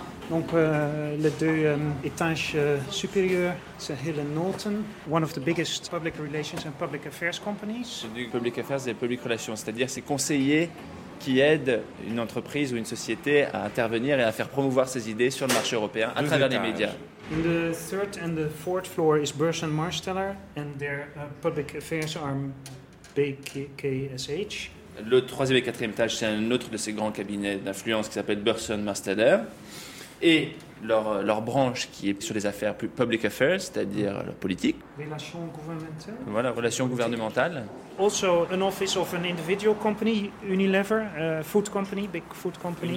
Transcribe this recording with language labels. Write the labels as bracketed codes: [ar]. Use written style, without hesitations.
[fr] Donc, les deux étages supérieurs, c'est [en] Hill & Knowlton, one of the biggest public relations and public affairs companies. [fr] C'est du public affairs et public relations, c'est-à-dire ces conseillers qui aident une entreprise ou une société à intervenir et à faire promouvoir ses idées sur le marché européen à travers les médias. [en] In the third and the fourth floor is Burson & Marsteller, and their public affairs arm, BKSH. [fr] Le troisième et quatrième étage, c'est un autre de ces grands cabinets d'influence qui s'appelle Burson & Marsteller. Et leur branche qui est sur les affaires public affairs, c'est-à-dire la politique. Relations gouvernementales. Voilà, relations gouvernementales. [en] Also, an office of an individual company, Unilever, a food company, big food company.